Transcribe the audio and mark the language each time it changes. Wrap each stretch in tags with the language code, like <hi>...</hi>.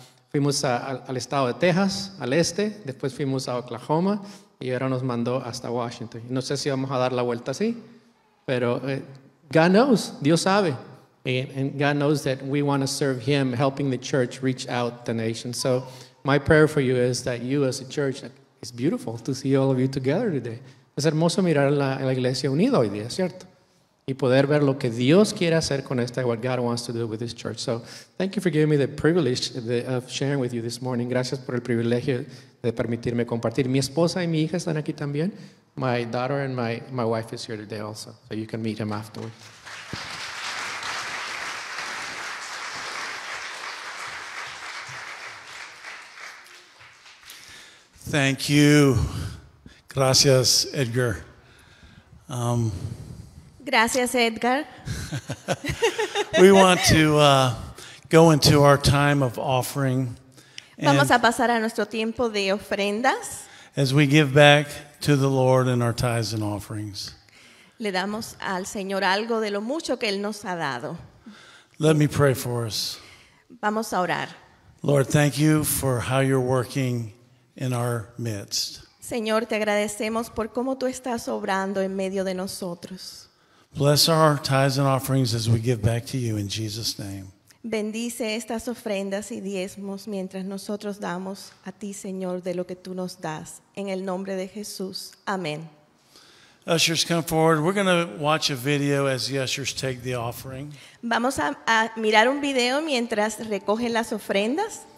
<es>Fuimos al estado de Texas, al este, después fuimos a Oklahoma y ahora nos mandó hasta Washington. No sé si vamos a dar la vuelta así, pero</es> <en>God knows,</en> <es>Dios sabe.</es> <en>And God knows that we want to serve Him, helping the church reach out the nation. So my prayer for you is that you as a church, it's beautiful to see all of you together today.</en> <es>Es hermoso mirar la iglesia unida hoy día, ¿cierto? Y poder ver lo que Dios quiere hacer con esta,</es> <en>what God wants to do with this church. So, thank you for giving me the privilege of sharing with you this morning.</en> <es>Gracias por el privilegio de permitirme compartir. Mi esposa y mi hija están aquí también.</es> <en>My daughter and my wife is here today also. So you can meet him afterwards. Thank you.</en> <es>Gracias, Edgar. Gracias, Edgar.</es> <en>We want to go into our time of offering.</en> <es>Vamos a pasar a nuestro tiempo de ofrendas.</es> <en>As we give back to the Lord in our tithes and offerings.</en> <es>Le damos al Señor algo de lo mucho que Él nos ha dado.</es> <en>Let me pray for us.</en> <es>Vamos a orar.</es> <en>Lord, thank you for how you're working in our midst.</en> <es>Señor, te agradecemos por cómo tú estás obrando en medio de nosotros.</es> <en>Bless our tithes and offerings as we give back to you in Jesus' name.</en> <es>Bendice estas ofrendas y diezmos mientras nosotros damos a ti, Señor, de lo que tú nos das. En el nombre de Jesús. Amén.</es> <en>ushers come forward. We're going to watch a video as the ushers take the offering.</en> <es>Vamos a mirar un video mientras recogen las ofrendas.</es>